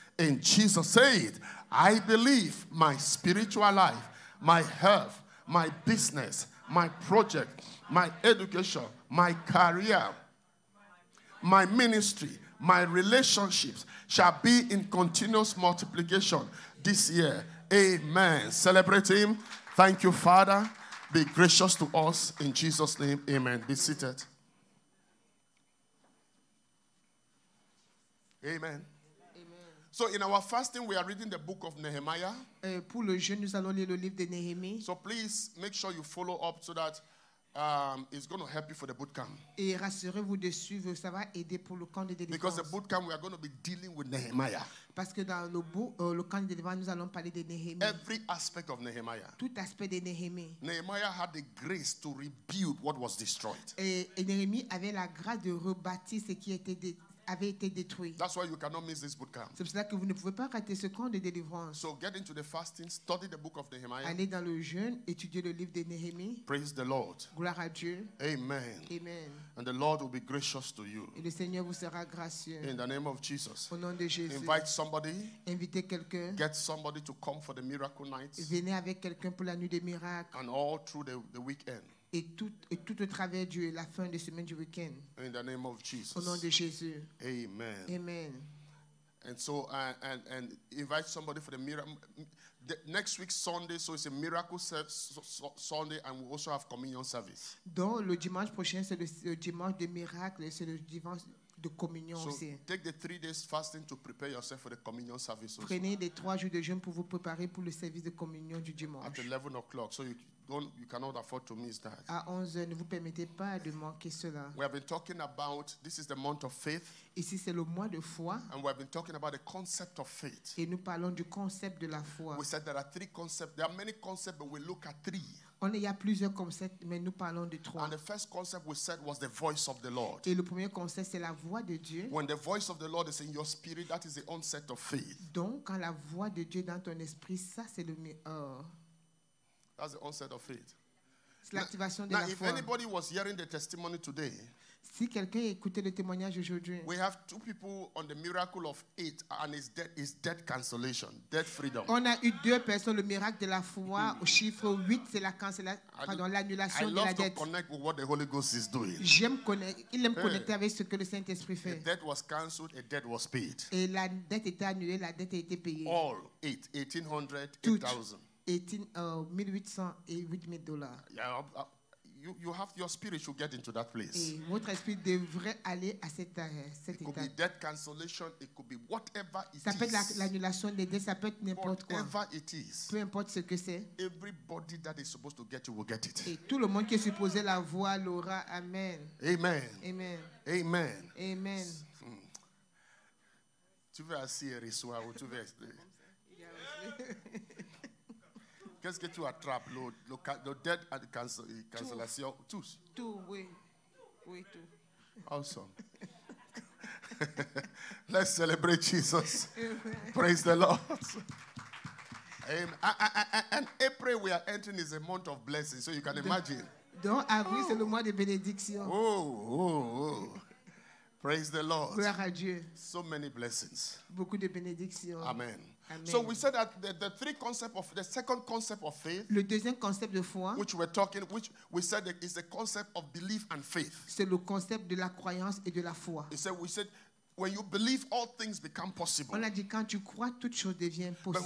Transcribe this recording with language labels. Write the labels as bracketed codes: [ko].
[en] And Jesus said, I believe my spiritual life, my health, my business, my project, my education, my career, my ministry, my relationships shall be in continuous multiplication this year. Amen. Celebrate him. Thank you, Father. Be gracious to us in Jesus' name. Amen. Be seated. Amen. Amen. So in our fasting, we are reading the book of Nehemiah. [fr] Pour le jeûne, nous allons lire le livre de Nehemiah. [en] So please make sure you follow up so that it's going to help you for the bootcamp. [fr] Et rassurez-vous de suivre, ça va aider pour le camp de délivrance. [en] Because the bootcamp, we are going to be dealing with Nehemiah. [fr] Parce que dans le camp de délivrance, nous allons parler de Nehemiah. [en] Every aspect of Nehemiah. [fr] Tout aspect de Nehemiah. [en] Nehemiah had the grace to rebuild what was destroyed. [fr] Et Nehemiah avait la grâce de rebâtir ce qui était avait été détruit. [en] That's why you cannot miss this bootcamp. [fr] C'est pour cela que vous ne pouvez pas rater ce camp de délivrance. [en] So get into the fasting, study the book of Nehemiah. [fr] Allez dans le jeûne, étudiez le livre de Nehemiah. [en] Praise the Lord. [fr] Gloire à Dieu. [en] Amen. Amen. And the Lord will be gracious to you. [fr] Et le Seigneur vous sera gracieux. [en] In the name of Jesus. [fr] Au nom de Jésus. [en] Invite somebody. [fr] Invitez quelqu'un. [en] Get somebody to come for the miracle nights. [fr] Venez avec quelqu'un pour la nuit des miracles. [en] And all through the weekend. [fr] Et tout au travers de la fin de semaine du week-end. [en] In the name of Jesus. [fr] Au nom de Jésus. [en] Amen. Amen. And so and invite somebody for the miracle. Next week Sunday, so it's a miracle Sunday, and we also have communion service. [fr] Donc le dimanche prochain c'est le dimanche des miracles, c'est le dimanche de communion [en] so [fr] aussi. [en] So take the 3 days fasting to prepare yourself for the communion service. [fr] Prenez les 3 jours de jeûne pour vous préparer pour le service de communion du dimanche. [en] At 11 o'clock, so you. Don't, you cannot afford to miss that. [fr] À 11h, ne vous permettez pas de manquer cela. [en] We have been talking about, this is the month of faith. [fr] Ici, c'est le mois de foi. [en] And we have been talking about the concept of faith. [fr] Et nous parlons du concept de la foi. [en] We said there are three concepts. There are many concepts, but we look at three. [fr] Il y a plusieurs concepts, mais nous parlons de trois. [en] And the first concept we said was the voice of the Lord. [fr] Et le premier concept, c'est la voix de Dieu. [en] When the voice of the Lord is in your spirit, that is the onset of faith. [fr] Donc, quand la voix de Dieu est dans ton esprit, ça, c'est le [en] That's the onset of faith. [fr] C'est l'activation [en] now, [fr] de [en] now [fr] la [en] if [fr] foi. [en] Anybody was hearing the testimony today, [fr] si quelqu'un écoutait le témoignage aujourd'hui, [en] we have two people on the miracle of eight, and it's death cancellation, death freedom. [fr] On a eu deux personnes, le miracle de la foi, au chiffre 8, c'est la cancellation, pardon, l'annulation de la dette. [en] I love to connect with what the Holy Ghost is doing. [fr] Il aime connecter avec ce que le Saint-Esprit fait. [en] The debt was cancelled, a debt was paid. [fr] Et la dette était annulée, la dette a été payée. [en] All eight, 1,800, 8,000. $1,800 [fr] et $8,000. [en] Yeah, you have your spirit should get into that place. [fr] Et votre esprit devrait aller à cet état. [en] It could be debt cancellation. It could be whatever it is. [fr] Ça peut être l'annulation des dettes. Ça peut être n'importe quoi. [en] Whatever it is. [fr] Peu importe ce que c'est. [en] Everybody that is supposed to get it will get it. [fr] Et tout le monde qui est supposé l'avoir l'aura. [en] Amen. Amen. Amen. Amen. Amen. [fr] Tu veux assister Rissoua ou tu veux qu'est-ce que tu attrapes? [en] Le dead and the cancellation? Tous? [fr] Tout, oui. Oui, tout. [en] Awesome. Let's celebrate Jesus. Praise the Lord. Amen. And April, we are entering is a month of blessing, so you can imagine. [fr] Donc, avril, c'est le mois de bénédiction. [en] Oh. Praise the Lord. [fr] Gloire à Dieu. [en] So many blessings. [fr] Beaucoup de bénédictions. [en] Amen. Amen. So we said that the three concept of the second concept of faith, [fr] le deuxième concept de foi, [en] which we said that is the concept of belief and faith. [fr] C'est le concept de la croyance et de la foi. [en] We said when you believe, all things become possible. [fr] On a dit quand tu crois, toute chose devient possible.